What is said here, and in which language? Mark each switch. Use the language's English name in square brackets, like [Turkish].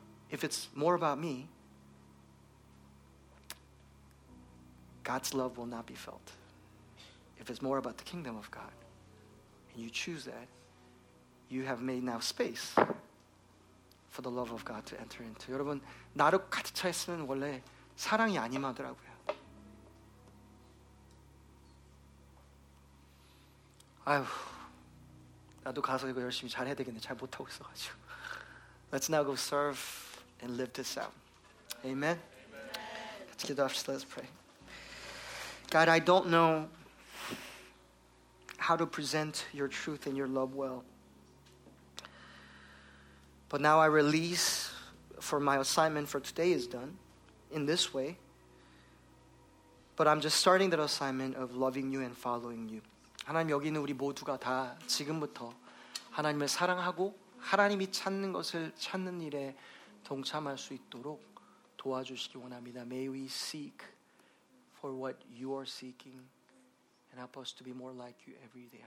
[English] If it's more about me, God's love will not be felt. If it's more about the kingdom of God, and you choose that, you have made now space for the love of God to enter into. [Korean] 여러분, 나로 가득 차 있으면 원래 사랑이 아님하더라고요. Ayo, 나도 가서 이거 열심히 잘 해야 되겠네. 잘 못하고 있어가지고. [English] Let's now go serve and live this out. Amen? Let's get off. Let's pray. God, I don't know how to present your truth and your love well. But now I release, for my assignment for today is done in this way. But I'm just starting that assignment of loving you and following you. [Korean] 하나님 여기 있는 우리 모두가 다 지금부터 하나님을 사랑하고 하나님이 찾는 것을 찾는 일에 동참할 수 있도록 도와주시기 원합니다. [English] May we seek for what you are seeking and help us to be more like you every day.